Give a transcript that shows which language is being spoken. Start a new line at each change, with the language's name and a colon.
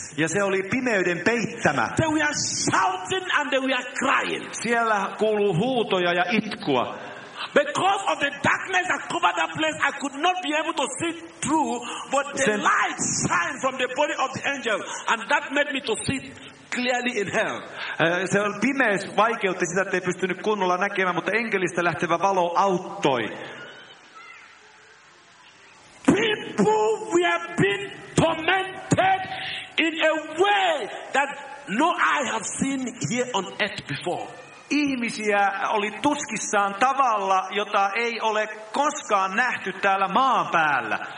Finnish: Ja se oli pimeyden peittämä.
English: They were shouting and they were crying.
Finnish: Siellä kuului huutoja ja itkua.
English: Because of the darkness that covered that place, I could not be able to see through, but the sen light shined from the body of the angel, and that made me to see clearly in hell.
Finnish: Se oli pimeys vaikeutti sitä, ettei pystynyt kunnolla näkemään, mutta enkelistä lähtevä valo auttoi.
English: People, we have been tormented in a way that no eye have seen here on earth before.
Finnish: Ihmisiä oli tuskissaan tavalla, jota ei ole koskaan nähty täällä maan päällä.